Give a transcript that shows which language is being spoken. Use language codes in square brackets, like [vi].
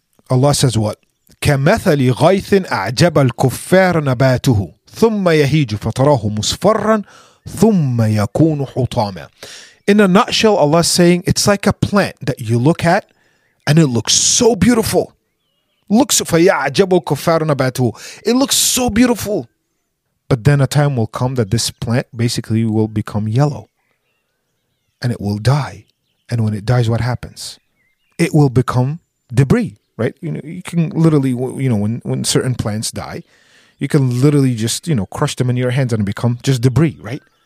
[en] Allah says what? [ar] كَمَثَلِ غَيْثٍ أَعْجَبَ الْكُفَّارَ نَبَاتُهُ ثُمَّ يَهِيجُ فَتَرَاهُ مُصْفَرًّا ثُمَّ يَكُونُ حُطَامًا. [en] In a nutshell, Allah is saying it's like a plant that you look at and it looks so beautiful. Looks [ar] فَيَعْجَبُ الْكُفَّارَ نَبَاتُهُ. [en] It looks so beautiful. But then a time will come that this plant basically will become yellow and it will die. And when it dies, what happens? It will become debris, right? You know, you can literally, you know, when certain plants die, you can literally just, you know, crush them in your hands and become just debris, right?